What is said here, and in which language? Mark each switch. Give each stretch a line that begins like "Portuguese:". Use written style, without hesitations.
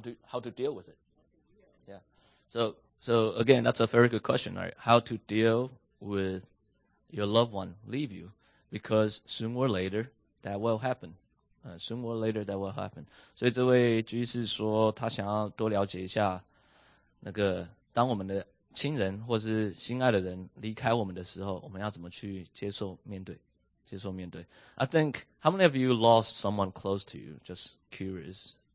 English: How to deal with it? Yeah. So again, that's a very good question, right? How to deal with your loved one leave you? Because sooner or later, that will happen.
Chinese: So 这位居士说他想要多了解一下那个当我们的亲人或是心爱的人离开我们的时候，我们要怎么去接受面对。
English: I think, how many of you lost someone close to you? Just curious.